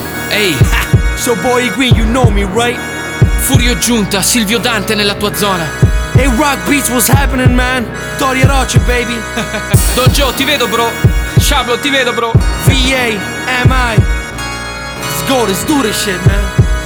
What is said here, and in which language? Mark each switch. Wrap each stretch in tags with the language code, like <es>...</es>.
<en>Ehi, so boy Green, you know me, right?</en> <it>Furio Giunta, Silvio Dante nella tua zona.</it> <en>Hey, rock beats, what's happening, man? Tori Orochi, baby.</en> <it>Don Joe, ti vedo, bro. Shablo, ti vedo, bro. VA, MI.</it> <en>Score, let's do this shit, man.</en>